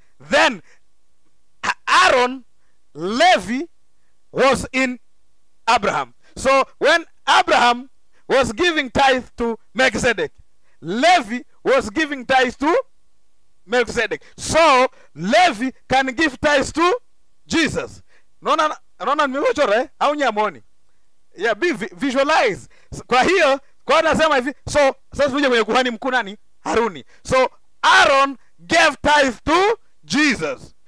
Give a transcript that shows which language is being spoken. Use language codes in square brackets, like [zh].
[en] Then Aaron Levi was in Abraham. So when Abraham was giving tithe to Melkizedek, Levi was giving tithes to Melchizedek. So Levi can give tithes to Jesus. [sw] Nona nimechora eh? Au nyamoni. [en] Yeah, be visualize. [sw] Kwa hiyo, kwa anasema hivi, so sasa tuje kwenye kuhani mkuu nani? Haruni. [en] So Aaron gave tithes to Jesus.